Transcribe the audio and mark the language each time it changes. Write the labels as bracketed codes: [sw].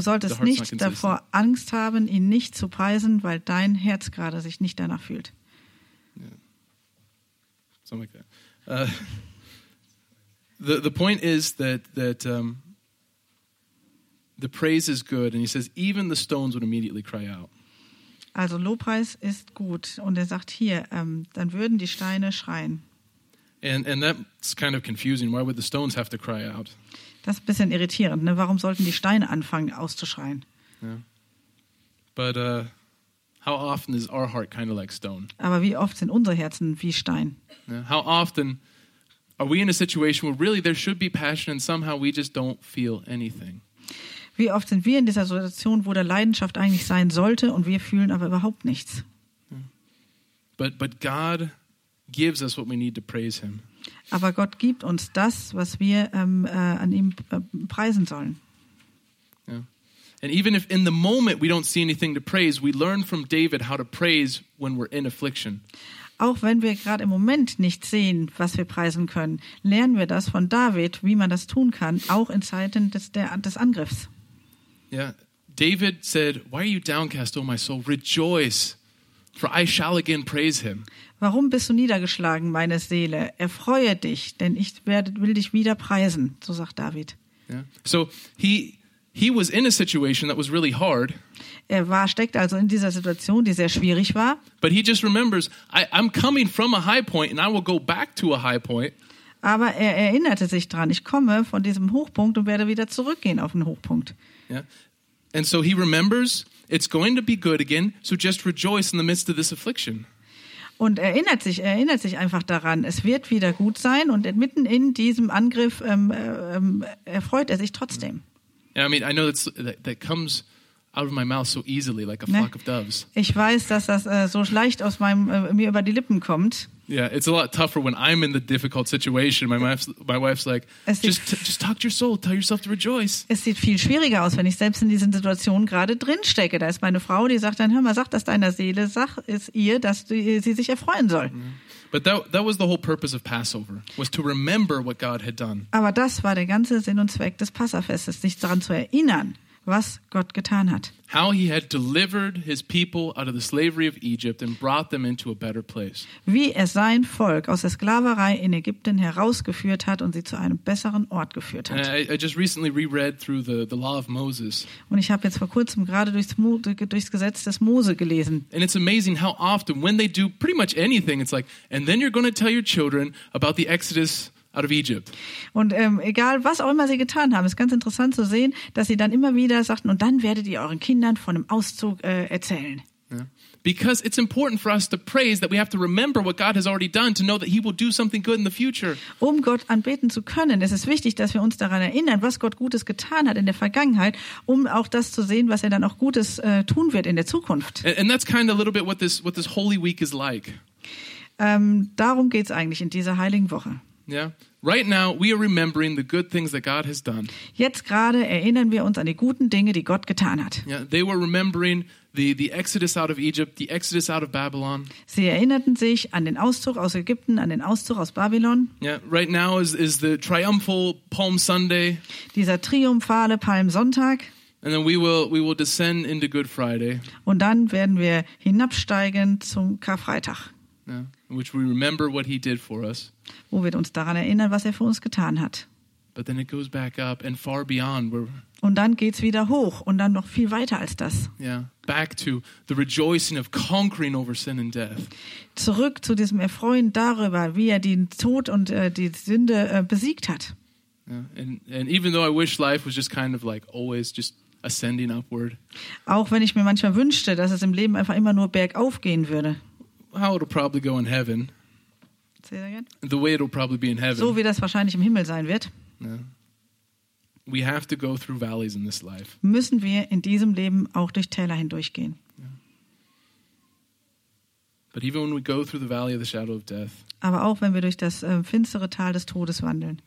[de] solltest nicht davor Angst haben, ihn nicht zu preisen, weil dein Herz gerade sich nicht danach fühlt. [en] Yeah. Something like that. The point is that the praise is good, and he says even the stones would immediately cry out. [de] Also Lobpreis ist gut, und er sagt hier, dann würden die Steine schreien. [en] And that's kind of confusing. Why would the stones have to cry out? [de] Das ist ein bisschen irritierend, ne? Warum sollten die Steine anfangen auszuschreien? [en] Yeah. But how often is our heart kind of like stone? [de] Aber wie oft sind unsere Herzen wie Stein? [en] Yeah. How often are we in a situation where really there should be passion and somehow we just don't feel anything? [de] Wie oft sind wir in dieser Situation, wo der Leidenschaft eigentlich sein sollte und wir fühlen aber überhaupt nichts? [en] Yeah. But God gives us what we need to praise him. [de] Aber Gott gibt uns das, was wir an ihm preisen sollen. [en] Yeah. And even if in the moment we don't see anything to praise, we learn from David how to praise when we're in affliction. [de] Auch wenn wir gerade im Moment nicht sehen, was wir preisen können, lernen wir das von David, wie man das tun kann, auch in Zeiten des Angriffs. [en] Yeah. David said, "Why are you downcast, O my soul? Rejoice, for I shall again praise him." [de] Warum bist du niedergeschlagen, meine Seele? Erfreue dich, denn ich will dich wieder preisen, so sagt David. [en] Yeah. So he was in a situation that was really hard. [de] Er steckt also in dieser Situation, die sehr schwierig war. [en] But he just remembers, I'm coming from a high point and I will go back to a high point. [de] Aber er erinnerte sich dran, ich komme von diesem Hochpunkt und werde wieder zurückgehen auf den Hochpunkt. [en] Yeah. And so he remembers, it's going to be good again, so just rejoice in the midst of this affliction. [de] Und erinnert sich einfach daran, es wird wieder gut sein, und mitten in diesem Angriff erfreut er sich trotzdem. [en] Yeah, I mean, I know that comes out of my mouth so easily, like a flock of doves. [de] Ich weiß, dass das so leicht aus meinem mir über die Lippen kommt. [en] Yeah, it's a lot tougher when I'm in the difficult situation. My wife's like, just talk to your soul, tell yourself to rejoice. [de] Es sieht viel schwieriger aus, wenn ich selbst in diesen Situationen gerade drin stecke. Da ist meine Frau, die sagt dann, hör mal, sag das deiner Seele, sag es ihr, dass sie sich erfreuen soll. Mm-hmm. [en] But that was the whole purpose of Passover, was to remember what God had done. [de] Aber das war der ganze Sinn und Zweck des Passafestes, sich daran zu erinnern, was Gott getan hat. [en] How he had delivered his people out of the slavery of Egypt and brought them into a better place. [de] Wie er sein Volk aus der Sklaverei in Ägypten herausgeführt hat und sie zu einem besseren Ort geführt hat. [en] I just recently reread through the law of Moses. [de] Und ich habe jetzt vor kurzem gerade durchs Gesetz des Mose gelesen. [en] And it's amazing how often when they do pretty much anything, it's like, and then you're going to tell your children about the Exodus out of Egypt. [de] Und egal was auch immer sie getan haben, ist ganz interessant zu sehen, dass sie dann immer wieder sagten, und dann werdet ihr euren Kindern von dem Auszug erzählen. [en] Yeah. Because it's important for us to praise that we have to remember what God has already done to know that he will do something good in the future. [de] Um Gott anbeten zu können, ist es wichtig, dass wir uns daran erinnern, was Gott Gutes getan hat in der Vergangenheit, um auch das zu sehen, was er dann auch Gutes tun wird in der Zukunft. [en] And that's kind of a little bit what this Holy Week is like. [de] Darum geht's eigentlich in dieser heiligen Woche. [en] Yeah. Right now we are remembering the good things that God has done. [de] Jetzt gerade erinnern wir uns an die guten Dinge, die Gott getan hat. [en] Yeah, they were remembering the Exodus out of Egypt, the Exodus out of Babylon. [de] Sie erinnerten sich an den Auszug aus Ägypten, an den Auszug aus Babylon. [en] Yeah, right now is the triumphal Palm Sunday. [de] Dieser triumphale Palmsonntag. [en] And then we will descend into Good Friday. [de] Und dann werden wir hinabsteigen zum Karfreitag. [en] Yeah. Which we remember what he did for us. [de] Wo wir uns daran erinnern, was er für uns getan hat. [en] But then it goes back up and far beyond. [de] Und dann geht's wieder hoch und dann noch viel weiter als das. [en] Yeah, back to the rejoicing of conquering over sin and death. [de] Zurück zu diesem Erfreuen darüber, wie er den Tod und die Sünde besiegt hat. [en] Yeah, and even though I wish life was just kind of like always just ascending upward. [de] Auch wenn ich mir manchmal wünschte, dass es im Leben einfach immer nur bergauf gehen würde. [en] How it'll probably go in heaven. Say that again. The way it'll probably be in heaven. [de] So wie das wahrscheinlich im Himmel sein wird. [en] Yeah. We have to go through valleys in this life. [de] Müssen wir in diesem Leben auch durch Täler hindurchgehen. [en] But even when we go through the valley of the shadow of death. [de] Aber auch wenn wir durch das finstere Tal des Todes wandeln.